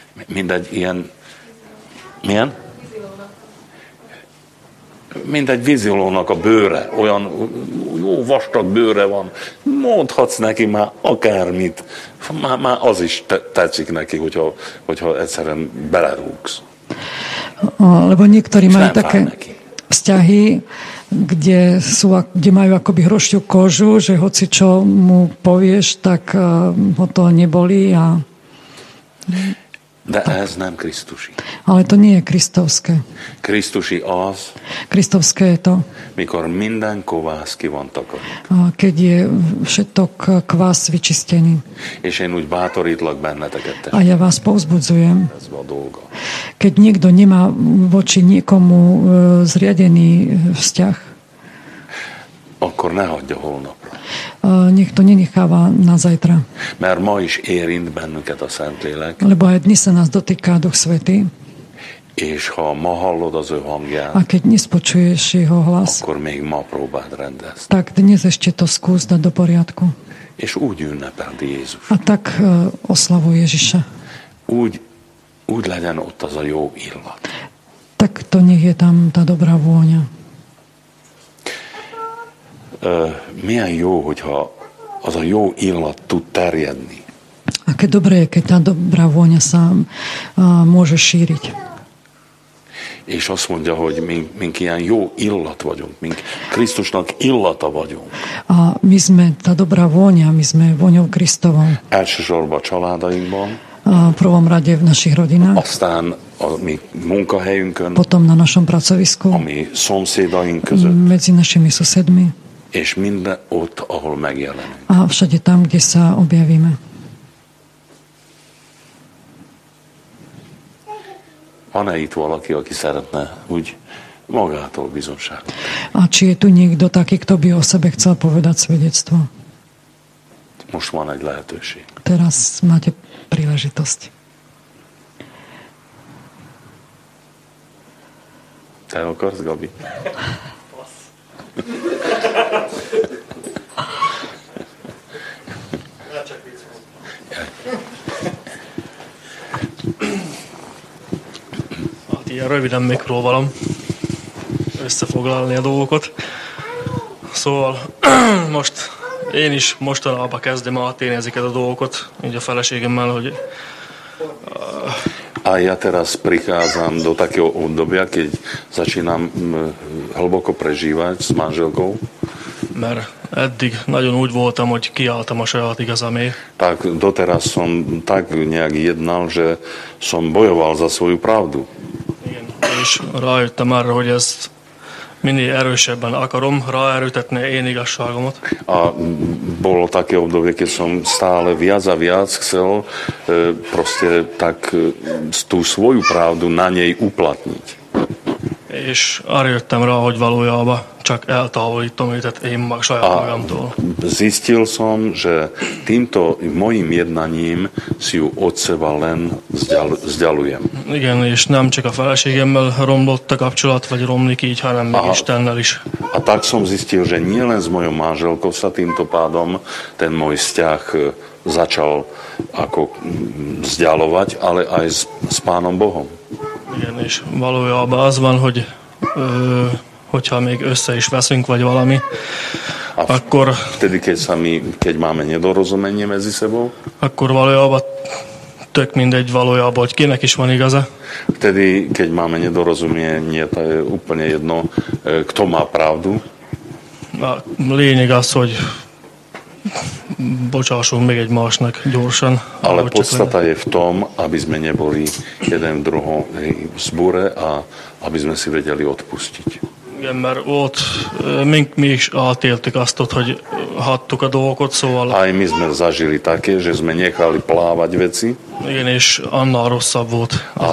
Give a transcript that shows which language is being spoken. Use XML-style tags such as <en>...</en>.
<hu>Mindegy ilyen milyen? Mint egy vízilónak a bőre, olyan jó vastag bőre van, mondhatsz neki már akármit, már az is tetszik neki, hogyha egyszerűen belerúgsz.</hu> <sk>Lebo niektorí majú také vzťahy, kde majú akoby hrošťu kožu, že hoci čo mu povieš, tak ho to nebolí a...</sk> <hu>De tak. Ez nem Krisztusi.</hu> <sk>Ale to nie je Kristovské.</sk> <hu>Krisztusi az.</hu> <sk>Kristovské je to.</sk> <hu>Mikor minden kovász ki van takarít.</hu> <sk>Keď je všetok kvás vyčistený.</sk> <hu>És én úgy bátorítlak benneteket.</hu> <sk>A ja vás povzbudzujem.</sk> <hu>Ez ma dolga.</hu> <sk>Keď niekto nemá voči niekomu zriadený vzťah.</sk> <hu>Akkor ne hagyja holnap.</hu> <sk>Nech to nenecháva na zajtra.</sk> <hu>Mert ma is érint bennünket a Szentlélek.</hu> <sk>Lebo aj dnes sa nás dotýká Duch Svätý.</sk> <hu>És ha ma hallod az ő hangját.</hu> <sk>A keď dnes počuješ jeho hlas.</sk> <hu>Akkor még ma próbáld rendezni.</hu> <sk>Tak dnes ešte to skús dať do poriadku.</sk> <hu>És úgy ünnepeld Jézus.</hu> <sk>A tak oslavuj Ježiša.</sk> <hu>Úgy legyen ott az a jó illat.</hu> <sk>Tak to nech je tam tá dobrá vôňa.</sk> <hu>Milyen jó, hogyha az a jó illat tud terjedni.</hu> <sk>A ke dobré je, keď tá dobrá vôňa sa môže šíriť.</sk> <hu>És azt mondja, hogy mink ilyen jó illat vagyunk, mink Krisztusnak illata vagyunk.</hu> <sk>A my sme tá dobrá vôňa, my sme vôňou Kristovom.</sk> <hu>Elsősorban a családainkban.</hu> <sk>A v prvom rade v našich rodinách.</sk> <hu>Aztán a mi munkahelyünkön.</hu> <sk>Potom na našom pracovisku.</sk> <hu>A mi szomszédaink között.</hu> <sk>Medzi našimi susedmi.</sk> <hu>És minden ott, ahol megjelenünk.</hu> <sk>A všade tam, kde sa objavíme.</sk> <hu>Van-e itt valaki, aki szeretne úgy magától bizonságot?</hu> <sk>A či je tu niekto taký, kto by o sebe chcel povedať svedectvo?</sk> <hu>Most van egy lehetőség.</hu> <sk>Teraz máte príležitosť.</sk> <hu>Te akarsz, Gabi? Hát ilyen röviden még próbálom összefoglalni a dolgokat. Szóval most én is mostanában kezdem átélni ezeket a dolgokat, így a feleségemmel, hogy...</hu> <sk>A ja teraz prichádzam do takého obdobia, keď začínam hlboko prežívať s manželkou.</sk> <hu>Mert eddig nagyon úgy voltam, hogy kiálltam a saját igazamé.</hu> <sk>Tak doteraz som tak nejak jednal, že som bojoval za svoju pravdu.</sk> <hu>Igen, és rájöttem arra, hogy ezt minél erősebben akarom ráerőtetni én igazságomat.</hu> <sk>A bolo také obdobie, keď som stále viac a viac chcel proste tak tú svoju pravdu na nej uplatniť.</sk> <hu>És arra jöttem rá, hogy valójában csak eltávolítom őt, én mag saját magamtól.</hu> <sk>Zistil som, že týmto mojim jednaním si ju od seba len zďalujem.</sk> <hu>Igen, és nem csak a feleségemmel romlott a kapcsolat, vagy romlik így, hanem meg Istennel is.</hu> <sk>A tak som zistil, že nie len s mojou manželkou sa týmto pádom ten môj vzťah začal ako zďalovať, ale aj s Pánom Bohom.</sk> <hu>Igen, és valójában az van, hogy hogyha még össze is veszünk, vagy valami, a akkor...</hu> <sk>Vtedy, keď máme nedorozumenie medzi sebou?</sk> <hu>Akkor valójában tök mindegy valójában, hogy kinek is van igaza.</hu> <sk>Vtedy, keď máme nedorozumenie, to je úplne jedno, kto má pravdu.</sk> <hu>A lényeg az, hogy bocsássunk még egymásnak gyorsan.</hu> <sk>Ale podstata je v tom, aby sme neboli jeden druhý zbure a aby sme si vedeli odpustiť.</sk> <hu>Igen, mert ott mi is átéltük azt ott, hogy hattuk a dolgot, szóval...</hu> <sk>Aj my sme zažili také, že sme nechali plávať veci.</sk> <hu>Igen, és annál rosszabb volt az</hu>